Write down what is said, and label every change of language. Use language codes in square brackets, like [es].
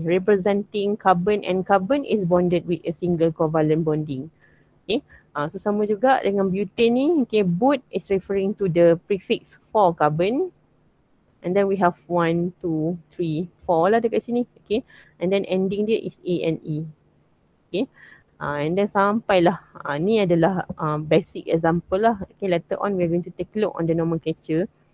[en] Representing carbon and carbon is bonded with a single covalent bonding. Okay, so [ms] sama juga dengan butane ni, [en] okay, but is referring to the prefix for carbon. And then we have 1, 2, 3, 4 [ms] lah dekat sini. [en] Okay. And then ending dia is A and E. Okay. And then sampailah. [ms] Ni adalah basic example lah. [en] Okay. Later on we're going to take a look on the nomenclature.